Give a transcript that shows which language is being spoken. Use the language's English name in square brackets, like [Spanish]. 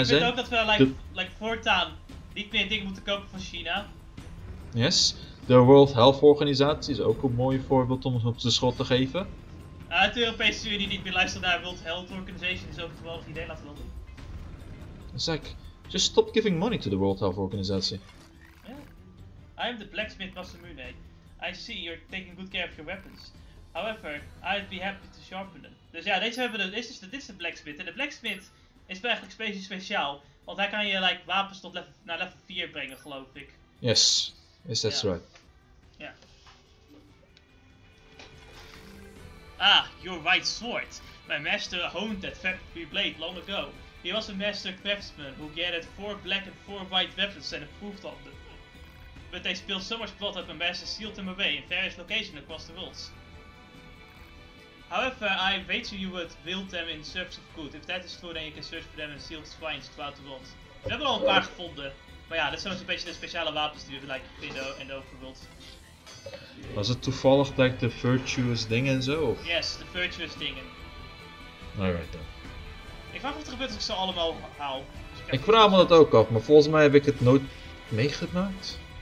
[Dutch] Ik vind ook dat we voortaan niet meer dingen moeten kopen van China. [English] Yes. [Dutch] De World Health Organisatie is ook een mooi voorbeeld om op de schot te geven. De Europese Unie niet meer luisteren naar World Health Organization is ook een geweldig idee, laten we dat doen. [English] Zach, just stop giving money to the World Health Organisation. Ja. Yeah. I am the blacksmith Masamune. I see you're taking good care of your weapons. However, I'd be happy to sharpen them. [Dutch] Dus ja, dit is de blacksmith. En de blacksmith is eigenlijk speciaal. Want hij kan je wapens tot level 4 brengen, geloof ik. [English] Yes, yes, that's right. [Dutch] Ja. [English] Ah, your white sword. My master honed that factory blade long ago. He was a master craftsman who gathered 4 black and 4 white weapons and improved on them. But they spilled so much blood that my master sealed them away in various locations across the world. However, I wager you would wield them in service of good. If that is true, then you can search for them in sealed finds throughout the world. [Dutch] We hebben al een paar gevonden. Maar ja, dat zijn een beetje de speciale wapens die we vinden in de overworld. Was het toevallig de virtuous dingen en zo? Yes, de virtuous dingen. Alright dan. Ik vraag me wat er gebeurt als ik ze allemaal haal. Ik vraag me dat ook af, maar volgens mij heb ik het nooit meegemaakt.